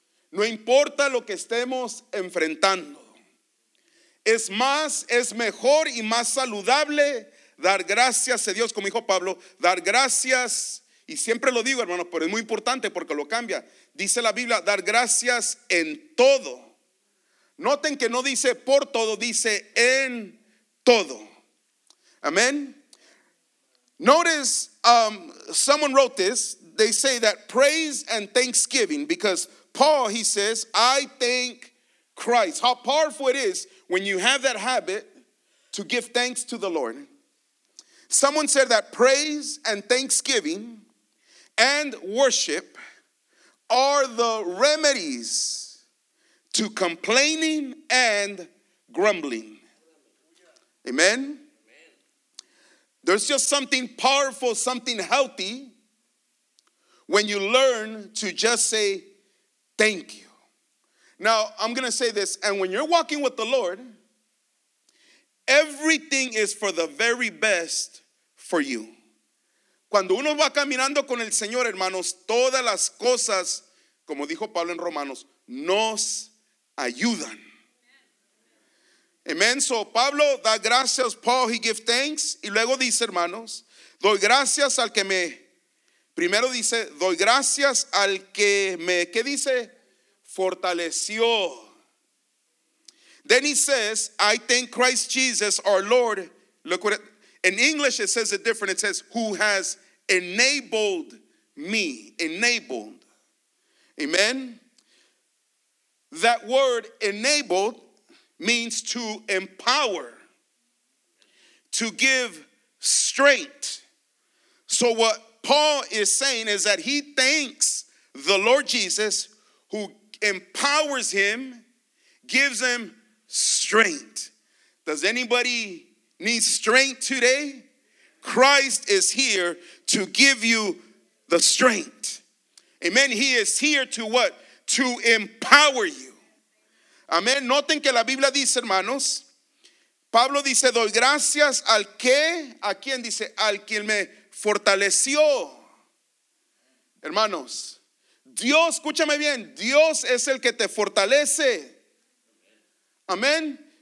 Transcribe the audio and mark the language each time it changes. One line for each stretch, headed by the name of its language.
Spanish: No importa lo que estemos enfrentando, es más, es mejor y más saludable dar gracias a Dios, como dijo Pablo, dar gracias, y siempre lo digo, hermano, pero es muy importante porque lo cambia. Dice la Biblia, dar gracias en todo. Noten que no dice por todo, dice en todo. Amén.
English: Notice, someone wrote this, they say that praise and thanksgiving, because Paul, he says, I thank Christ. How powerful it is when you have that habit to give thanks to the Lord. Someone said that praise and thanksgiving and worship are the remedies to complaining and grumbling. Amen? There's just something powerful, something healthy when you learn to just say, thank you. Now, I'm going to say this. And when you're walking with the Lord, Everything is for the very best for you.
Spanish: Cuando uno va caminando con el Señor, hermanos, todas las cosas, como dijo Pablo en Romanos, nos ayudan. Amen. So Pablo da gracias.
English: Paul, he gives thanks.
Spanish: Y luego dice, hermanos, doy gracias al que me, primero dice, doy gracias al que me, ¿qué dice? Fortaleció.
English: Then he says, I thank Christ Jesus, our Lord. Look what it, in English it says it different. It says, who has enabled me. Enabled. Amen. That word enabled means to empower, to give strength. So what Paul is saying is that he thanks the Lord Jesus who empowers him, gives him strength. Does anybody need strength today? Christ is here to give you the strength. Amen. He is here to what? To empower you. Amén.
Spanish: Noten que la Biblia dice, hermanos, Pablo dice, doy gracias al que, ¿a quién dice? Al quien me fortaleció. Hermanos, Dios, escúchame bien, Dios es el que te fortalece. Amén.